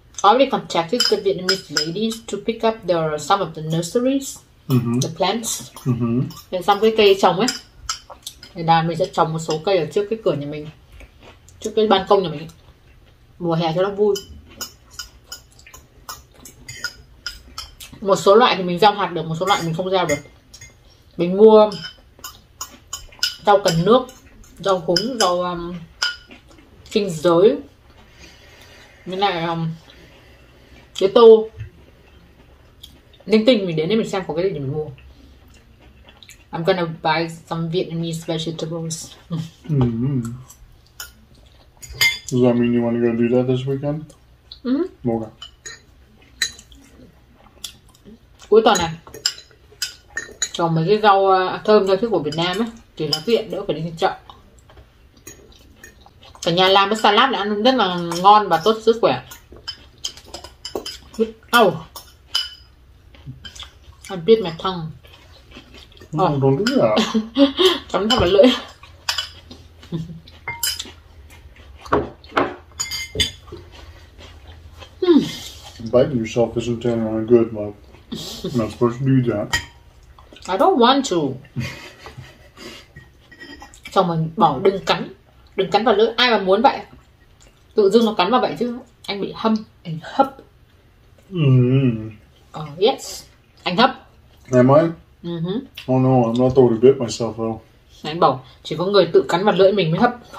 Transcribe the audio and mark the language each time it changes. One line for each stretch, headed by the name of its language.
English: Already contacted the Vietnamese ladies to pick up some of the nurseries, the plants. Mm-hmm.
Vietnamese: Xong cái cây trồng ấy, thì là mình sẽ trồng một số cây ở trước cái cửa nhà mình, trước cái ban công nhà mình. Mùa hè cho nó vui. Một số loại thì mình gieo hạt được, một số loại mình không gieo được. Mình mua rau cần nước, rau húng, rau kinh giới, với lại cái tô linh tinh. Mình đến đây mình xem có cái gì để mình mua.
English: I'm gonna buy some Vietnamese vegetables. Mm-hmm. Does that mean you want to go do that this weekend? Mm-hmm. Okay.
Vietnamese: Cuối tuần này trồng mấy cái rau thơm rau thích của Việt Nam ấy thì nó tiện đỡ phải đi chợ. Cả nhà làm cái salad này ăn rất là ngon và tốt sức khỏe.
English: Ow, I bit my tongue. No, don't do that.
Vietnamese: Cắn thật vào lưỡi.
English: Biting yourself isn't any good, love. You're not supposed to do that. I don't want to.
Vietnamese: Xong rồi bảo đừng cắn. Đừng cắn vào lưỡi, ai mà muốn vậy. Tự dưng nó cắn vào vậy chứ. Anh bị hâm, anh hấp.
English: Oh yes,
Vietnamese: anh hấp.
English: Am I? Oh no, I'm not totally bit myself though.
Vietnamese: Anh bảo chỉ có người tự cắn vào lưỡi mình mới hấp.